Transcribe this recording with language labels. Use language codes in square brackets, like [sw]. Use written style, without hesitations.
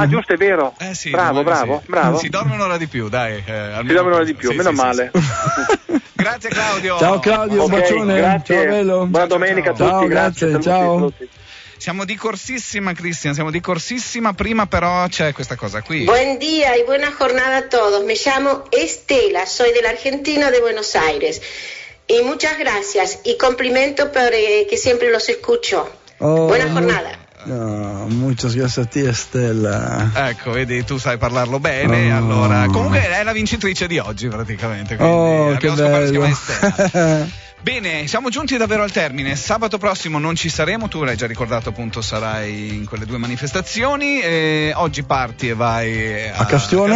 [it] Ah, giusto, è vero. Sì, bravo, bravo, sì. Bravo. Si dorme un'ora di più, dai. Si dorme un'ora di più, sì, meno sì, male. Sì. Grazie, Claudio. Ciao, Claudio. Okay, un bacione. Grazie. Ciao, bello. Buona domenica a tutti. Grazie, ciao. Siamo di corsissima, Cristian, siamo di corsissima, prima però c'è questa cosa qui. [es] Buen día y buena jornada a todos. Me llamo Estela, soy de la Argentina, de Buenos Aires. Y muchas gracias y complimento por que siempre los escucho. Oh, buena jornada. No, muchas gracias a ti, Estela. [it] Ecco, vedi, tu sai parlarlo bene, oh. Allora. Comunque è la vincitrice di oggi praticamente. Quindi oh, che bello. Si chiama Estela. Bene, siamo giunti davvero al termine. Sabato prossimo non ci saremo, tu l'hai già ricordato, appunto, sarai in quelle due manifestazioni. E oggi parti e vai a Castione.